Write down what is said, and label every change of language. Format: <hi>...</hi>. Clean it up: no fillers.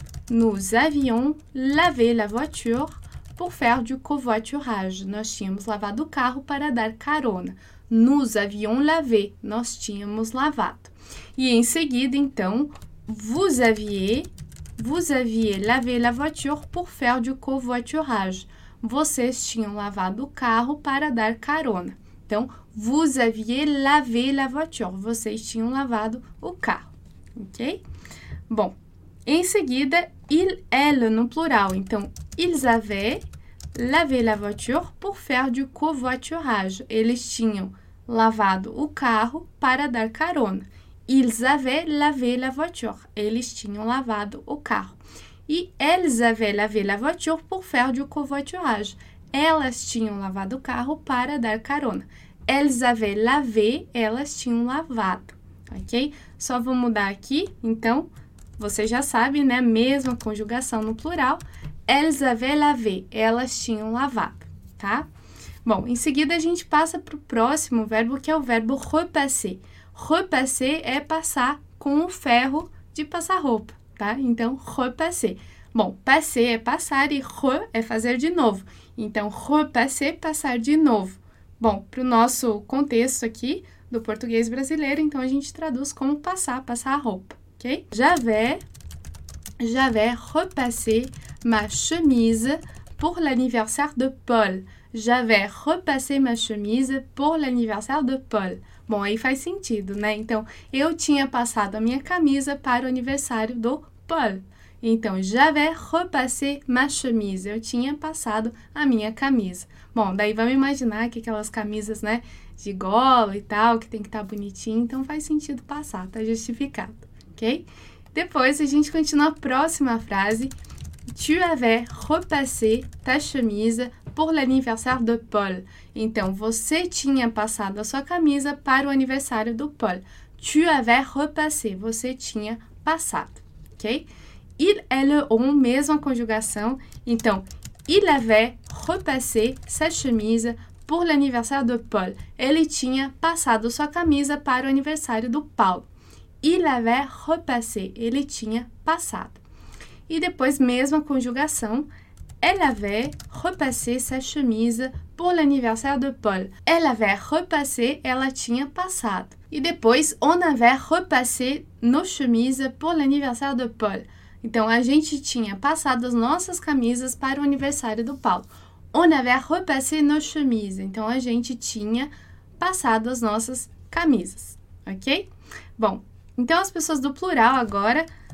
<fr>Nous avions lavé la voiture pour faire du covoiturage.</fr> <pt>Nós tínhamos lavado o carro para dar carona.</pt> <fr>Nous avions lavé.</fr> <pt>Nós tínhamos lavado. E em seguida, então,</pt> <fr>vous aviez lavé la voiture pour faire du covoiturage.</fr> <pt>Vocês tinham lavado o carro para dar carona.</pt> <fr>Então, vous aviez lavé la voiture.</fr> <pt>Vocês tinham lavado o carro, ok? Bom, em seguida, elle no plural.</pt> <fr>Então, ils avaient lavé la voiture pour faire du covoiturage.</fr> <pt>Eles tinham lavado o carro para dar carona.</pt> <fr>Ils avaient lavé la voiture.</fr> <pt>Eles tinham lavado o carro.</pt> <fr>E elles avaient lavé la voiture pour faire du covoiturage.</fr> <pt>Elas tinham lavado o carro para dar carona.</pt> <fr>Elles avaient lavé,</fr> <pt>elas tinham lavado. Ok? Só vou mudar aqui. Então, você já sabe, né? Mesma conjugação no plural.</pt> <fr>Elles avaient lavé,</fr> <pt>elas tinham lavado. Tá? Bom, em seguida a gente passa para o próximo verbo, que é o verbo repasser. Repasser é passar com o ferro de passar roupa, tá? Então, repasser. Bom, passer é passar e re é fazer de novo. Então, repasser, passar de novo. Bom, para o nosso contexto aqui do português brasileiro, então a gente traduz como passar a roupa, ok?</pt> <fr>J'avais repassé ma chemise pour l'anniversaire de Paul. J'avais repassé ma chemise pour l'anniversaire de Paul.</fr> <pt>Bom, aí faz sentido, né? Então, eu tinha passado a minha camisa para o aniversário do Paul. Então,</pt> <fr>j'avais repassé ma chemise.</fr> <pt>Eu tinha passado a minha camisa. Bom, daí vamos imaginar que aquelas camisas, né, de gola e tal, que tem que estar bonitinho. Então, faz sentido passar, tá justificado, ok? Depois, a gente continua a próxima frase.</pt> <fr>Tu avais repassé ta chemise pour l'anniversaire de Paul.</fr> <pt>Então, você tinha passado a sua camisa para o aniversário do Paul.</pt> <fr>Tu avais repassé.</fr> <pt>Você tinha passado, ok? Il, elle, on, mesma conjugação.</pt> <fr>Então, il avait repassé sa chemise pour l'anniversaire de Paul.</fr> <pt>Ele tinha passado sua camisa para o aniversário do Paul.</pt> <fr>Il avait repassé.</fr> <pt>Ele tinha passado. E depois, mesma conjugação.</pt> <fr>Elle avait repassé sa chemise pour l'anniversaire de Paul. Elle avait repassé,</fr> <pt>ela tinha passado. E depois,</pt> <fr>on avait repassé nos chemises pour l'anniversaire de Paul.</fr> <pt>Então, a gente tinha passado as nossas camisas para o aniversário do Paulo.</pt> <fr>On avait repassé nos chemises.</fr> <pt>Então, a gente tinha passado as nossas camisas, ok? Bom, então as pessoas do plural agora.</pt>